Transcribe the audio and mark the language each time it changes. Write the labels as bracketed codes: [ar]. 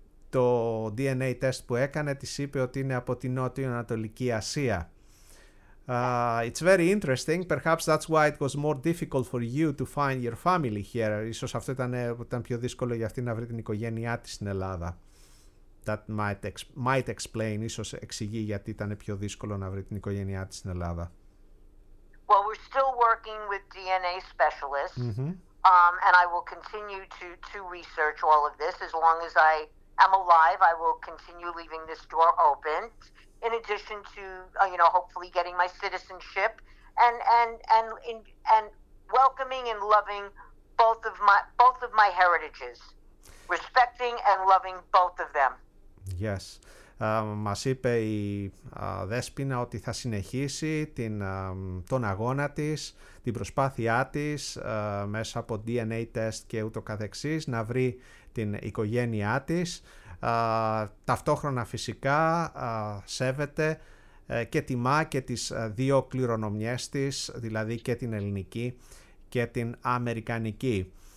[el] Το DNA test που έκανε της είπε ότι είναι από την Νότιο-Ανατολική Ασία. [en] It's very interesting. Perhaps that's why it was more difficult for you to find your family here. [el] Ίσως αυτό ήταν πιο δύσκολο για αυτή να βρει την οικογένειά της στην Ελλάδα. [en] That might explain, [el] ίσως εξηγεί γιατί ήταν πιο δύσκολο να βρει την οικογένειά της στην Ελλάδα. [en] Well, we're still working with DNA specialists, and I will continue to research all of this. As long as I am alive, I will continue leaving this door open. In addition to, you know, hopefully getting my citizenship and welcoming and loving both of my heritages, respecting and loving both of them. [el] Yes, μας είπε η Δέσποινα ότι θα συνεχίσει τον αγώνα της, την προσπάθειά της μέσα από DNA test και ούτω καθεξής να βρει την οικογένειά της. Ταυτόχρονα φυσικά σέβεται και τιμά και τις δύο κληρονομιές της, δηλαδή και την ελληνική και την αμερικανική.